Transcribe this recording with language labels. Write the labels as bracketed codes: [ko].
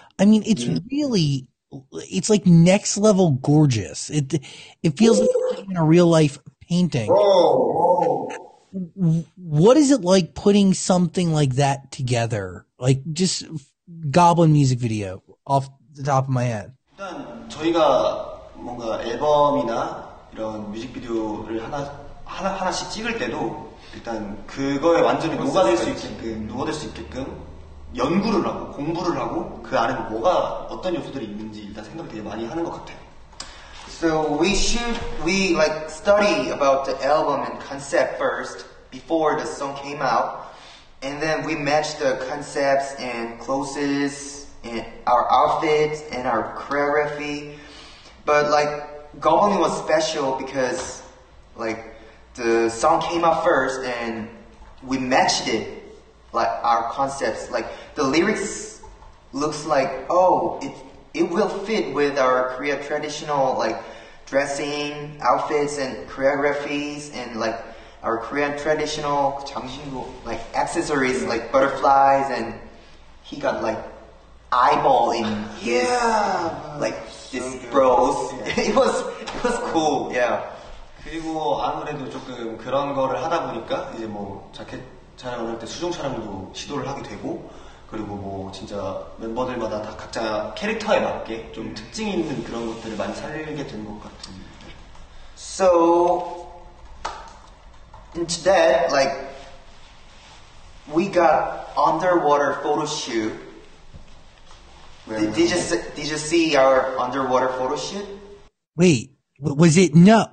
[en] I mean, it's really, it's like next level gorgeous. It feels like you're in a real life painting. What is it like putting something like that together? Like just Goblin music video off the top of my head. [ko] 일단 저희가 뭔가 앨범이나 이런 뮤직비디오를 하나씩 찍을 때도 일단 그거에 완전히 녹아들 수 있게끔 녹아들 수 있게끔 연구를 하고 공부를 하고 그 안에 뭐가 어떤 요소들이 있는지 일단 생각을 되게 많이 하는 것 같아요. [en] So we should we like study about the album and concept first before the song came out, and then we match the concepts and clothes and our outfits and our choreography. But like Goblin was special because like the song came out first and we matched it, like our concepts, like the lyrics looks like, oh, it will fit with our Korea traditional like dressing, outfits and choreographies, and like our Korean traditional like accessories, like butterflies, and he got like eyeball in his, like his bros. It was cool, yeah. [ko] 그리고 아무래도 조금 그런 거를 하다 보니까 이제 뭐 자켓 촬영을 할 때 수중 촬영도 시도를 하게 되고, 그리고 뭐 진짜 멤버들마다 다 각자 캐릭터에 맞게 좀 특징 있는 그런 것들을 많이 살리게 된 것 같은데. [en] So into that, like we got underwater photo shoot. Did you see our underwater photo shoot? Wait, was it not?